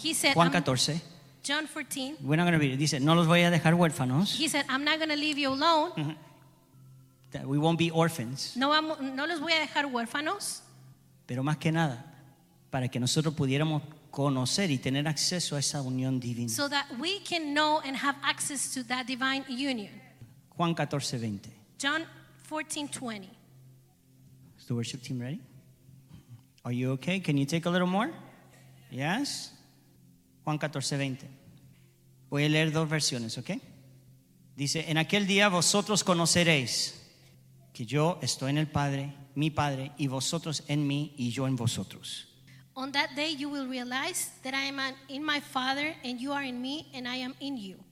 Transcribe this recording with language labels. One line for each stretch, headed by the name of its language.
English: He said,
Spanish: Juan 14.
English: John 14. We're not going to read it.
Spanish: Dice, no los voy a dejar huérfanos.
English: He said, I'm not going to leave you alone. That we won't be orphans.
Spanish: No los voy a dejar huérfanos. Pero más que nada, para que nosotros pudiéramos conocer y tener acceso a esa unión divina.
English: So that we can know and have access to that divine union.
Spanish: Juan 14, 20.
English: John 14, 20. Is the worship team ready? Are you okay? Can you take a little more? Yes? Juan 14, 20.
Spanish: Voy a leer dos versiones, okay? Dice, en aquel día vosotros conoceréis que yo estoy en el Padre, mi Padre, y vosotros en mí, y yo en vosotros.
English: On that day you will realize that I am in my Father and you are in me and I am in you.